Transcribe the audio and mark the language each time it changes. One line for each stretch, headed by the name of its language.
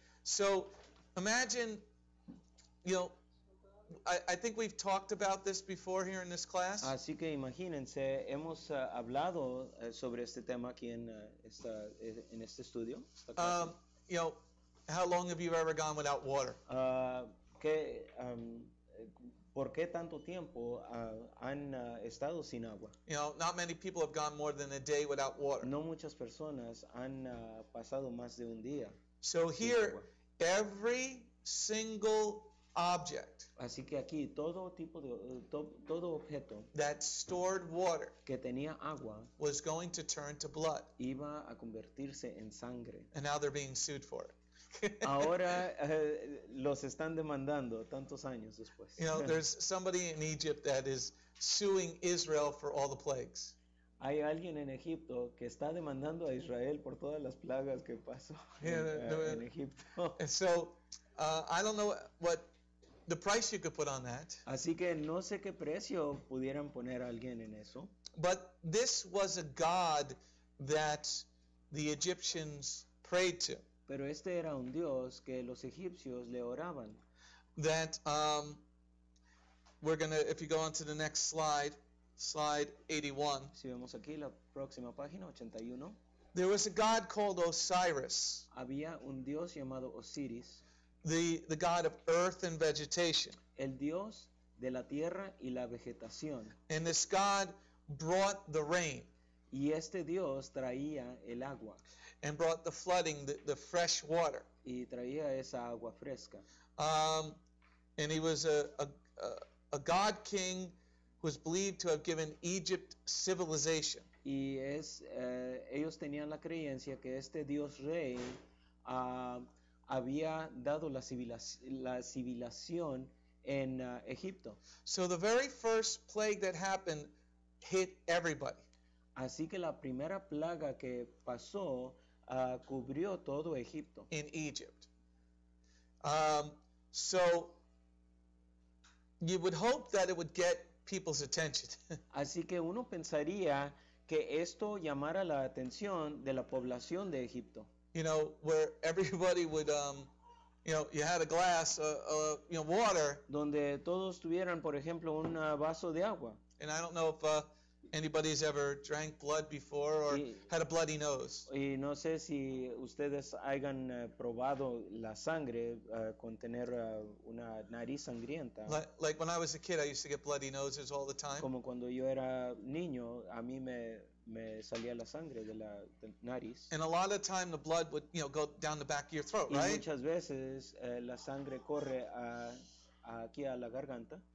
English: So imagine, you know, I think we've talked about this before here in this class.
Spanish: Así que imagínense, hemos hablado sobre este tema aquí en este estudio. Esta clase.
English: You know, how long have you ever gone without water?
Spanish: ¿Por qué tanto tiempo han estado sin agua?
English: You know, not many people have gone more than a day without water.
Spanish: No muchas personas han pasado más de un día.
English: So here, every single object.
Spanish: Así que aquí todo tipo de todo objeto
English: that stored water
Spanish: que tenía agua
English: was going to turn to blood.
Spanish: Iba a convertirse en sangre.
English: And now they're being sued for it.
Spanish: Ahora los están demandando tantos años después.
English: You know, there's somebody in Egypt that is suing Israel for all the plagues.
Spanish: Hay alguien en Egipto que está demandando a Israel por todas las plagas que pasó en Egipto.
English: So I don't know what the price you could put on that.
Spanish: Así que no sé qué precio pudieran poner alguien en eso.
English: But this was a god that the Egyptians prayed to.
Spanish: Pero este era un dios que los egipcios le oraban.
English: That we're gonna, if you go on to the next slide, slide 81.
Spanish: Si vemos aquí la próxima página, 81.
English: There was a god called Osiris.
Spanish: Había un dios llamado Osiris.
English: The god of earth and vegetation.
Spanish: El dios de la tierra y la vegetación.
English: And this god brought the rain.
Spanish: Y este dios traía el agua.
English: And brought the flooding, the fresh water.
Spanish: Y traía esa agua fresca.
English: And he was a god king who was believed to have given Egypt civilization.
Spanish: Y es ellos tenían la creencia que este dios rey había dado la civilización en Egipto.
English: So the very first plague that happened hit everybody.
Spanish: Así que la primera plaga que pasó cubrió todo Egipto.
English: In Egypt. So you would hope that it would get people's attention.
Spanish: Así que uno pensaría que esto llamara la atención de la población de Egipto.
English: You know, where everybody would, you had a glass of water.
Spanish: Donde todos tuvieran, por ejemplo, un vaso de agua.
English: And I don't know if anybody's ever drank blood before or had a bloody nose.
Spanish: Y no sé si ustedes hayan probado la sangre con tener una nariz sangrienta.
English: Like when I was a kid, I used to get bloody noses all the time.
Spanish: Como cuando yo era niño, a mí me salía la sangre de la nariz.
English: And a lot of time the blood would, you know, go down the back of your throat,
Spanish: y
English: right?
Spanish: Y muchas veces la sangre corre aquí a la garganta.